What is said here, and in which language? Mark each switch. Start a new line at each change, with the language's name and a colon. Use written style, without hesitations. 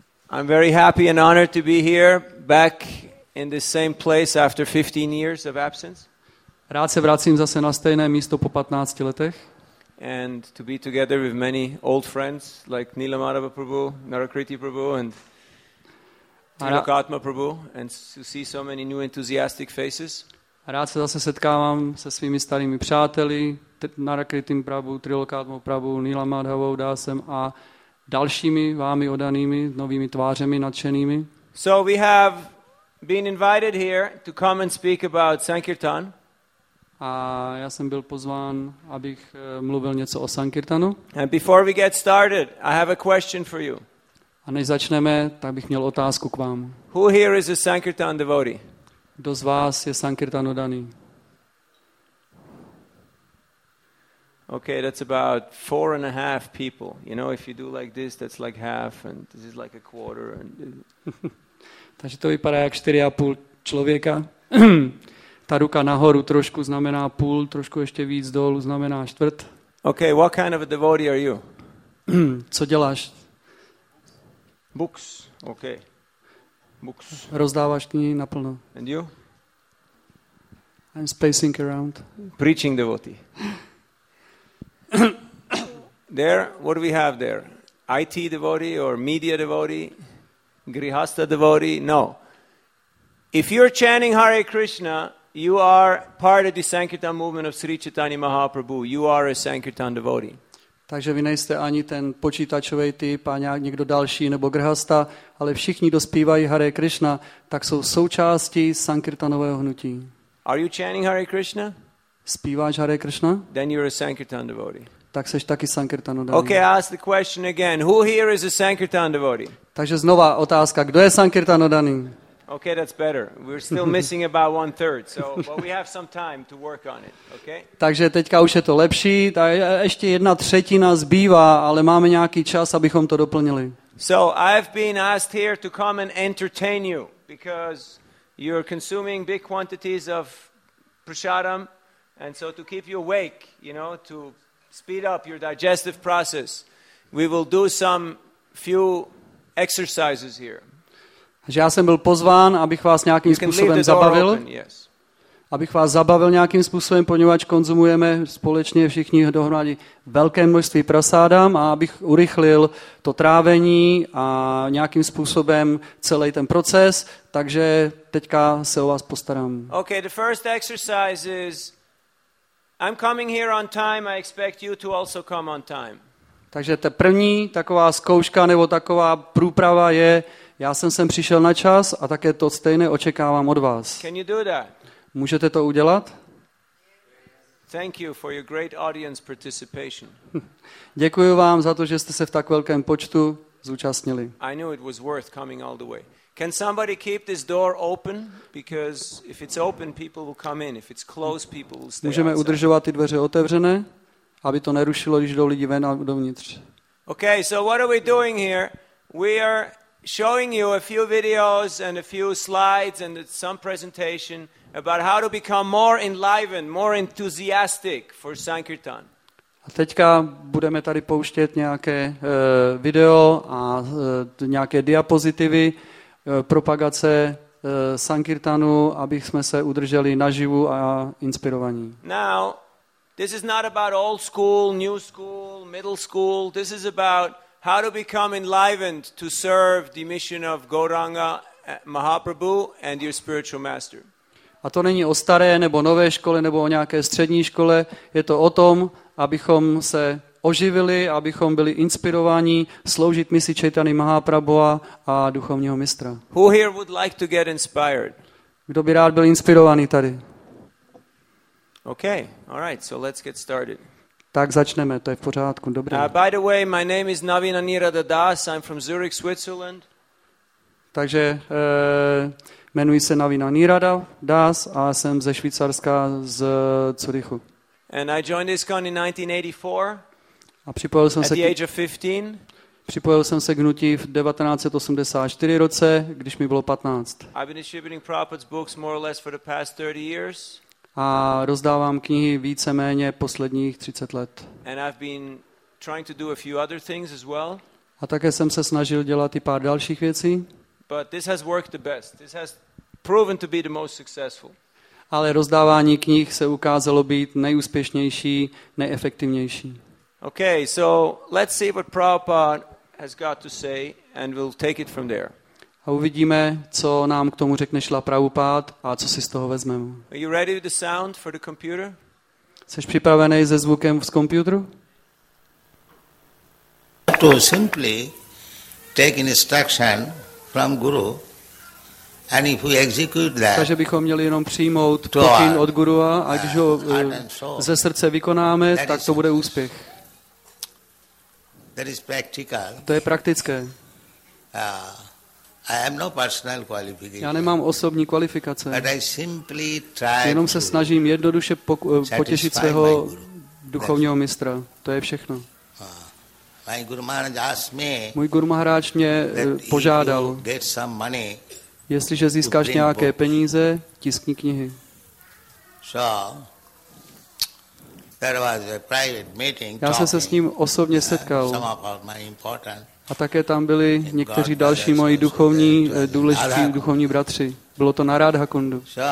English: I'm very happy and honored to be here back in the same place after 15 years of absence.
Czech: Rád se vracím zase na stejné místo po 15 letech.
English: And to be together with many old friends like Nila Madhava Prabhu, Narakriti Prabhu and Tilakatma Prabhu and to see so many new enthusiastic faces.
Czech: Rád se zase setkávám se svými starými přáteli, Narakritim Prabhu, Trilokatma Prabhu, Nila Madhavou Dásem a dalšími vámi odanými, novými tvářemi, nadšenými.
English: So we have been invited here to come and speak about Sankirtan.
Czech: A já jsem byl pozván, abych mluvil něco o Sankirtanu.
English: And before we get started, I have a question for you.
Czech: A než začneme, tak bych měl otázku k vám.
English: Who here is a Sankirtan devotee?
Czech: Kdo z vás je Sankirtan odaný?
English: Okay, that's about 4.5 people. You know, if you do like this, that's like half, and this is like a quarter.
Czech: Takže to vypadá jak 4.5 člověka. Ta ruka nahoru trošku znamená půl, trošku ještě víc dolů znamená čtvrt.
English: Okay, what kind of a devotee are you?
Czech: Co děláš?
English: Books, okay. Books.
Czech: Rozdáváš knihy naplno.
English: And you? I'm spacing around. Preaching devotee. There, what do we have there? IT devotee or media devotee? Grihastha devotee? No. If you're chanting Hare Krishna, you are part of the Sankirtan movement of Sri Chaitanya Mahaprabhu. You are a Sankirtan devotee.
Czech: Takže vy nejste ani ten počítačovej typ, ani někdo další, nebo grhasta, ale všichni, kdo zpívají Hare Krishna, tak jsou součástí Sankirtanového hnutí.
English: Are you chanting Hare Krishna?
Czech: Zpíváš Hare Krishna?
English: Then you're a Sankirtan devotee.
Czech: Tak seš taky Sankirtan odaný.
English: Okay, ask the question again. Who here is a Sankirtan devotee?
Czech: Takže znova otázka. Kdo je Sankirtan odaný?
English: Okay, that's better. We're still missing about 1/3, so but we have some time to work on it, okay?
Czech: Takže teďka už je to lepší. Tak ještě 1/3 zbývá, ale máme nějaký čas, abychom to doplnili.
English: So, I've been asked here to come and entertain you because you're consuming big quantities of prasadam and so to keep you awake, you know, to speed up your digestive process, we will do some few exercises here.
Czech: Že já jsem byl pozván, abych vás nějakým způsobem zabavil.
English: Open, yes.
Czech: Abych vás zabavil nějakým způsobem, poněvadž konzumujeme společně všichni dohromady velké množství prasádám a abych urychlil to trávení a nějakým způsobem celý ten proces, takže teďka se o vás postarám.
English: Okay, the first exercise is I'm coming here on time, I expect you to also come on time.
Czech: Takže ta první taková zkouška nebo taková průprava je, já jsem sem přišel na čas a také to stejné očekávám od vás.
English: Can you do that?
Czech: Můžete to udělat?
English: Thank you for your great audience participation.
Czech: Děkuji vám za to, že jste se v tak velkém počtu zúčastnili.
English: I knew it was worth coming all the way. Can somebody keep this door open? Because if it's open, people will come in. If it's closed, people will stay
Czech: Můžeme udržovat ty dveře otevřené, aby to nerušilo, když jdou lidi ven a dovnitř.
English: Okay, so what are we doing here? We are showing you a few videos and a few slides and some presentation about how to become more enlivened, more enthusiastic for Sankirtan.
Czech: A teďka budeme tady pouštět nějaké video a nějaké diapozitivy propagace Sankirtanu, abych jsme se udrželi naživu a inspirovaní.
English: Now, this is not about old school, new school, middle school. This is about how to become enlivened to serve the mission of Gauranga Mahaprabhu and your spiritual master.
Czech: A to není o staré nebo nové škole nebo o nějaké střední škole, je to o tom, abychom se oživili, abychom byli inspirováni sloužit misi Chaitany Mahaprabhu a duchovního mistra.
English: Who here would like to get inspired?
Czech: Kdo by rád byl inspirovaný tady?
English: Okay. All right. So let's get started.
Czech: Tak začneme, to je v pořádku, dobré.
English: By the way, my name is Navin Anirada Das. I'm from Zurich, Switzerland.
Czech: Takže jmenuji se Navin Anirada Das a jsem ze Švýcarska, z Zurichu.
English: And I joined ISKCON in 1984.
Czech: A připojil jsem se
English: at the age of 15.
Czech: Připojil jsem se k hnutí v 1984 roce, když mi bylo 15.
English: I've been distributing Prabhupada's books more or less for the past 30 years.
Czech: A rozdávám knihy víceméně posledních 30 let.
English: And I've been trying to do a few other things as well.
Czech: A také jsem se snažil dělat i pár dalších věcí.
English: But this has worked the best. This has proven to be the most successful.
Czech: Ale rozdávání knih se ukázalo být nejúspěšnější, nejefektivnější.
English: Okay, so let's see what Prabhupada has got to say and we'll take it from there.
Czech: A uvidíme, co nám k tomu řekne Šila Prabhupád a co si z toho vezmeme.
English: Are you ready with the sound for the computer?
Czech: Jsi připravený se zvukem z komputeru?
English: To simply take instruction from guru and if we execute that.
Czech: Takže bychom měli jenom přijmout pokyn od gurua a když ho ze srdce vykonáme, tak to bude úspěch.
English: That is practical.
Czech: To je praktické.
English: I have no personal qualification.
Czech: Já nemám osobní kvalifikace.
English: But I simply try.
Czech: Jenom se snažím jednoduše potěšit svého duchovního mistra. To je všechno.
English: My guru Maharaj asked me.
Czech: Můj guru Maharaj mě požádal.
English: Get some money.
Czech: Jestliže získáš nějaké peníze, tiskni knihy.
English: So there was a private meeting.
Czech: Já jsem se s ním osobně setkal. A také tam byli někteří další moji duchovní důležití duchovní bratři. Bylo to na Radhakundu.